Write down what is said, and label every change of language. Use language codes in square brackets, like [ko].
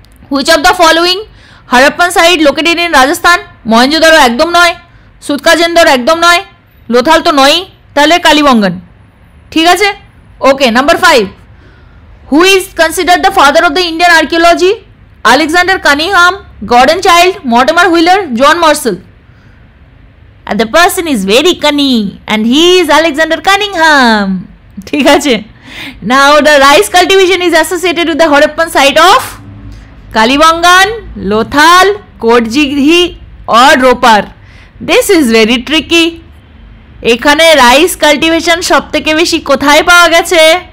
[en] which of the following Harappan site located in Rajasthan, [bn] Mohenjo-daro একদম নয়, সুতকাজেন্দর একদম নয়, লোথাল তো নয়ই, তাহলে কালীবঙ্গান, ঠিক আছে। [en] Okay, number 5, who is consider the father of the Indian archaeology, Alexander Cunningham, Gordon Childe, Mortimer Wheeler, John Marshall, and the person is very cunning and he is Alexander Cunningham. [bn] ঠিক আছে? [en] Now the rice cultivation is associated with the Harappan site of Kalibangan, Lothal, Kodjidhi or Ropar. This is very tricky. [bn] এখানে rice cultivation সব থেকে বেশি কোথায় পাওয়া গেছে?